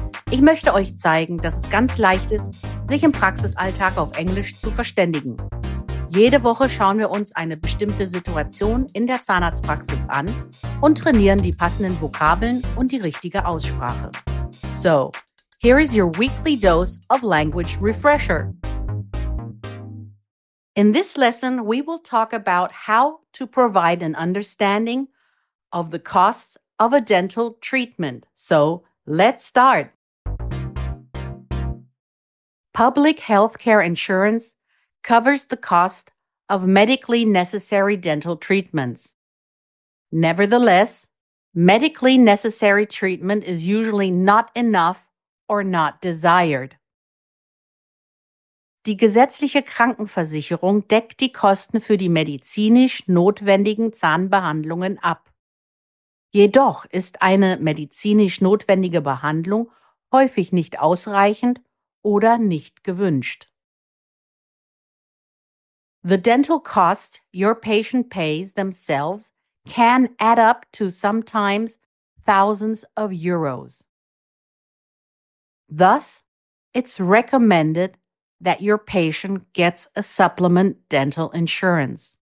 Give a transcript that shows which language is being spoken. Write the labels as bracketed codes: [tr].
[de] Ich möchte euch zeigen, dass es ganz leicht ist, sich im Praxisalltag auf Englisch zu verständigen. Jede Woche schauen wir uns eine bestimmte Situation in der Zahnarztpraxis an und trainieren die passenden Vokabeln und die richtige Aussprache. [en] So, here is your weekly dose of language refresher. In this lesson, we will talk about how to provide an understanding of the costs of a dental treatment. So, let's start. Public health care insurance covers the cost of medically necessary dental treatments. Nevertheless, medically necessary treatment is usually not enough or not desired. [de] Die gesetzliche Krankenversicherung deckt die Kosten für die medizinisch notwendigen Zahnbehandlungen ab. Jedoch ist eine medizinisch notwendige Behandlung häufig nicht ausreichend oder nicht gewünscht. [en] The dental cost your patient pays themselves can add up to sometimes thousands of euros. Thus, it's recommended that your patient gets a supplement dental insurance.